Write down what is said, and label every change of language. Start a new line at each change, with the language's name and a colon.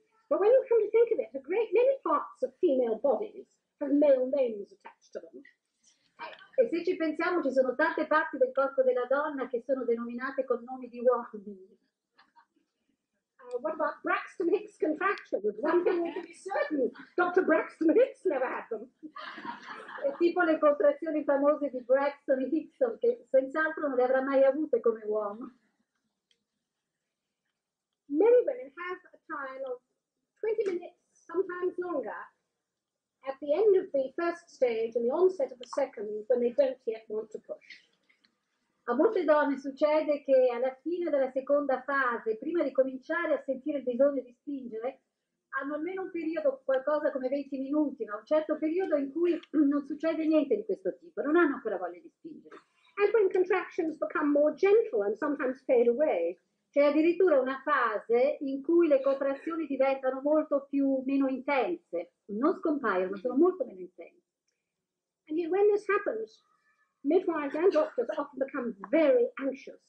English: But when you come to think of it, a great many parts of female bodies have male names attached to them.
Italian: E se ci pensiamo, ci sono tante parti del corpo della donna che sono denominate con nomi di uomini.
English: What about Braxton Hicks contractions? One thing we can be certain, Dr. Braxton Hicks never had them.
Italian: E tipo le contrazioni famose di Braxton Hicks, che senz'altro non le avrà mai avute come uomo.
English: Many women have a trial of 20 minutes, sometimes longer, at the end of the first stage and the onset of the second, when they don't yet want to push.
Italian: A molte donne succede che alla fine della seconda fase, prima di cominciare a sentire il bisogno di spingere, hanno almeno un periodo, qualcosa come 20 minuti, ma un certo periodo in cui non succede niente di questo tipo, non hanno ancora voglia di spingere.
English: and when contractions become more gentle and sometimes fade away.
Italian: C'è addirittura una fase in cui le contrazioni diventano molto più meno intense, non scompaiono, sono molto meno intense.
English: And yet when this happens, midwives and doctors often become very anxious.